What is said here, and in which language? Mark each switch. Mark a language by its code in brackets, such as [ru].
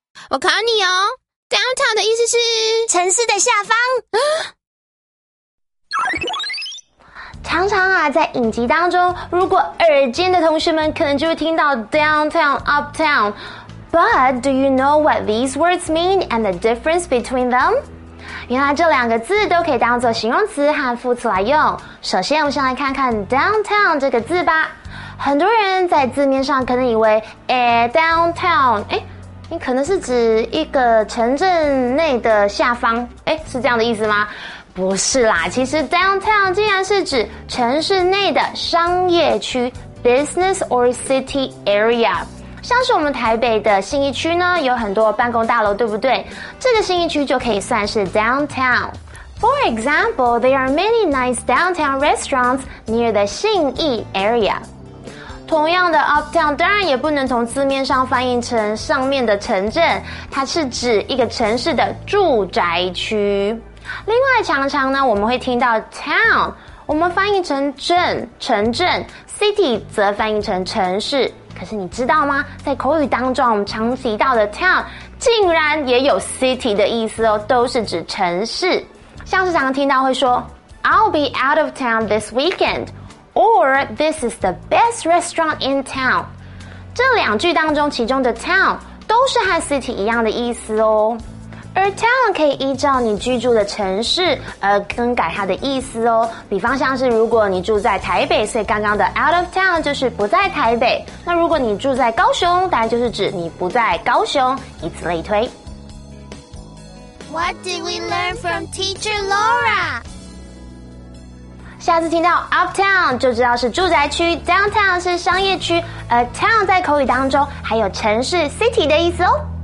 [zh] 我考你哦，Downtown 的意思是城市的下方。常常啊，在影集当中，如果耳尖的同学们可能就会听到 Downtown、Uptown。 [en] But do you know what these words mean and the difference between them? [zh] 原来这两个字都可以当作形容词和副词来用。首先我们先来看看 Downtown 这个字吧。很多人在字面上可能以为Downtown 你可能是指一个城镇内的下方，是这样的意思吗？不是啦，其实 downtown 竟然是指城市内的商业区 [en] business or city area。 [zh] 像是我们台北的信义区呢，有很多办公大楼，对不对？这个信义区就可以算是 downtown。 [en] For example, there are many nice downtown restaurants near the 信义 area。 [zh] 同样的 uptown 当然也不能从字面上翻译成上面的城镇，它是指一个城市的住宅区。另外常常呢，我们会听到 town 我们翻译成镇，城镇， city 则翻译成城市。可是你知道吗，在口语当中我们常提到的 town 竟然也有 city 的意思哦，都是指城市。像是常常听到会说 [en] I'll be out of town this weekendOr, this is the best restaurant in town. [zh] 这两句当中其中的 town 都是和 city 一样的意思哦。而 town 可以依照你居住的城市而更改它的意思哦。比方像是如果你住在台北，所以刚刚的 [en] out of town [zh] 就是不在台北。那如果你住在高雄，当然就是指你不在高雄，以此类推。 [en] What did we learn from Teacher Laura? [zh] 下次听到 uptown 就知道是住宅区， downtown 是商业区，而 town 在口语当中还有城市 city 的意思哦。